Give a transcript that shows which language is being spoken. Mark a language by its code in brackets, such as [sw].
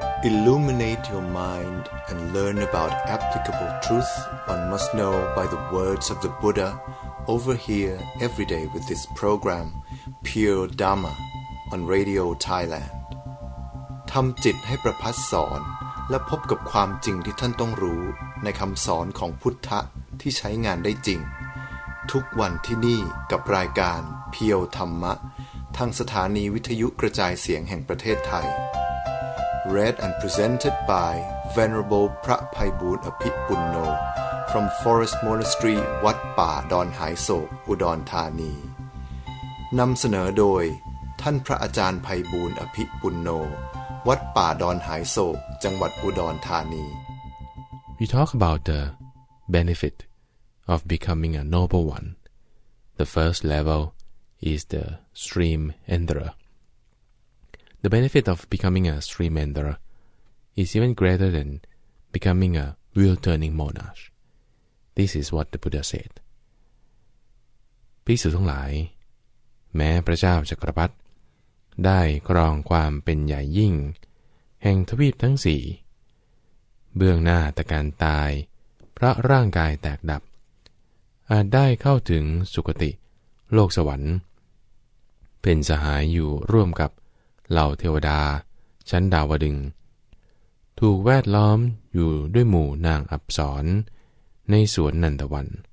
[en] Illuminate your mind and learn about applicable truth one must know by the words of the Buddha over here every day with this program, Pure Dharma, on Radio Thailand. [th] ทำจิตให้ประพัสสอนและพบกับความจริงที่ท่านต้องรู้ในคำสอนของพุทธะที่ใช้งานได้จริงทุกวันที่นี่กับรายการเพียวธรรมะทางสถานีวิทยุกระจายเสียงแห่งประเทศไทย Read and presented by Venerable พระไพบูลย์อภิปุณโญ from Forest Monastery วัดป่าดอนหายโศกอุดรธานีนำเสนอโดยท่านพระอาจารย์ไพบูลย์อภิปุณโญวัดป่าดอนหายโศกจังหวัดอุดรธานี [en] We talk about the benefit of becoming a noble one. The first level is the stream enderer. The benefit of becoming a stream enderer is even greater than becoming a wheel-turning monarch. This is what the Buddha said. [th] ภิกษุทั้งหลายแม้พระเจ้าจักรพรรดิได้ครองความเป็นใหญ่ยิ่งแห่งทวีปทั้งสี่เบื้องหน้าแต่การตายเพราะร่างกายแตกดับอาจได้เข้าถึงสุคติโลกสวรรค์เป็นสหายอยู่ร่วมกับเหล่าเทวดาชั้นดาวดึงถูกแวดล้อมอยู่ด้วยหมู่นางอัปสรในสวนนันทวัน